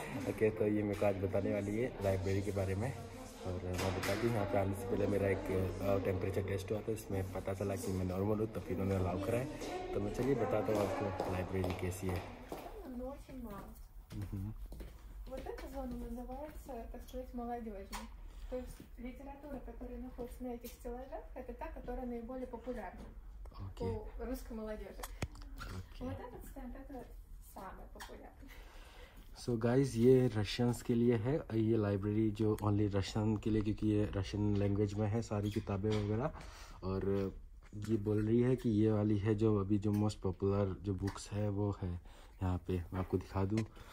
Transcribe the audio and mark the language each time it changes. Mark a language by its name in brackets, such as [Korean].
[Hindi] Okay तो ये मेरे को आज बताने वाली है लाइब्रेरी के बारे में, और मैं बताती हूँ, यहाँ पर आने से पहले मेरा एक टेम्परेचर टेस्ट हुआ था, उसमें पता चला कि मैं नॉर्मल हूँ, तो फिर उन्होंने अलाउ करा है, तो मैं चलिए बताता हूँ आपको लाइब्रेरी कैसी है। [Russian] То есть литература, которая находится на этих стеллажах, это та, которая наиболее популярна у русской молодежи. Вот этот стенд, это самый популярный. [Hindi] सो गाइज़ ये रशियंस के लिए है ये लाइब्रेरी, जो ओनली रशियन के लिए, क्योंकि ये रशियन लैंग्वेज में है सारी किताबें वगैरह। और ये बोल रही है कि ये वाली है जो अभी जो मोस्ट पॉपुलर जो बुक्स है वो है यहाँ पे, मैं आपको दिखा दूँ।